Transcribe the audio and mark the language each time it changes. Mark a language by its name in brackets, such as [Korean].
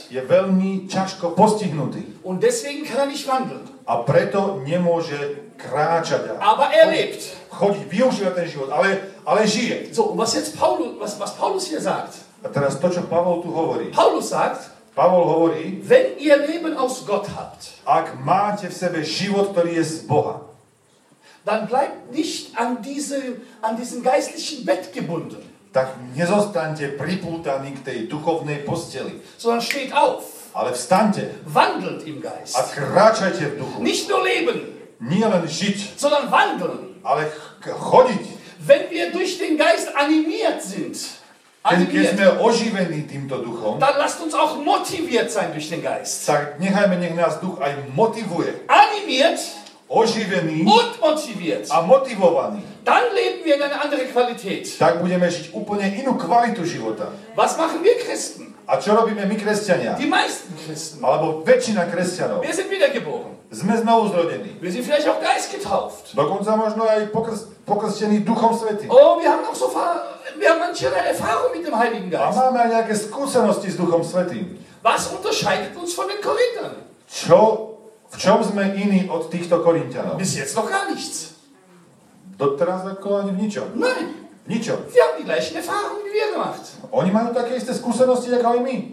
[Slovak] Je veľmi ťažko postihnutý. [German] Und deswegen kann er nicht wandeln. [Slovak] A preto nemôže kráčať. [German] Aber er lebt. [Slovak] Chodí, využíva ten život, ale žije. [German] So, was jetzt Paulus hier sagt. [Slovak] A teraz to, čo Pavol tu hovorí. Pavol hovorí, [German] wenn ihr Leben aus Gott habt, [Slovak] ak máte v sebe život, ktorý je z Boha, [German] dann bleibt nicht an diesen geistlichen Bett gebunden. [Slovak] Tak nezostaňte pripútaní k tej duchovnej posteli. [German] Sondern steht auf. [Slovak] Ale vstaňte. [German] Wandelt im Geist. [Slovak] A kráčajte v duchu. [German] Nicht nur leben. [Slovak] Nie len žiť. [German] Sondern wandeln. [Slovak] Ale chodiť. [German] Wenn wir durch den Geist animiert sind. [Slovak] Keď sme oživení týmto duchom. [German] Dann lasst uns auch motiviert sein durch den Geist. [Slovak] Tak nechajme, nech nás duch aj motivuje. [German] Animiert. [Slovak] Oživený. [German] Und motiviert. [Slovak] A motivovaný. [German] Dann leben wir in eine andere Qualität. [Slovak] Tak budeme žiť úplne inú kvalitu života. [German] Was machen wir Christen? [Slovak] A čo robíme my, kresťania? [German] Die meisten Christen. [Slovak] Alebo väčšina kresťanov. [German] Wir sind wiedergeboren. [Slovak] Sme znovu zrodení. [German] Wir sind vielleicht auch Geist getauft. [Slovak] Dokonca možno aj pokrstení Duchom Svätým. [German] Oh, wir haben manche Erfahrung mit dem Heiligen Geist. [Slovak] A máme aj nejaké skúsenosti s Duchom Svätým. [German] Was unterscheidet uns von den Korinthern? [Slovak] V čom sme iní od týchto Korinťanov? [German] Bis jetzt noch gar nichts. [Slovak] Doteraz ako ani v ničom. [German] Nein. [Slovak] Ničo. [German] Wir haben die gleichen Erfahrungen wie wir gemacht. [Slovak] Oni majú také isté skúsenosti, ako aj my.